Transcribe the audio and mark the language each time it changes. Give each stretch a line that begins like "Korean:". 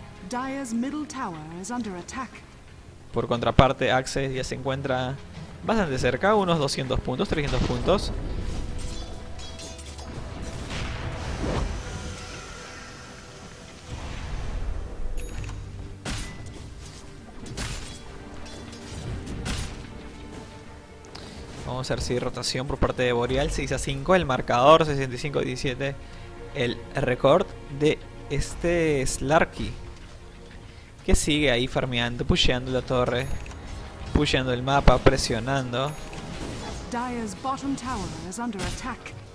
English: Dire's middle tower is under attack.
Spanish: Por contraparte, Axe ya se encuentra bastante cerca, unos 200 puntos, 300 puntos. Vamos a ver si rotación por parte de Boreal, 6 a 5, el marcador 65-17, el récord de este Slarky, que sigue ahí farmeando, pusheando la torre, pusheando el mapa, presionando.
English: Dire's bottom tower is under attack.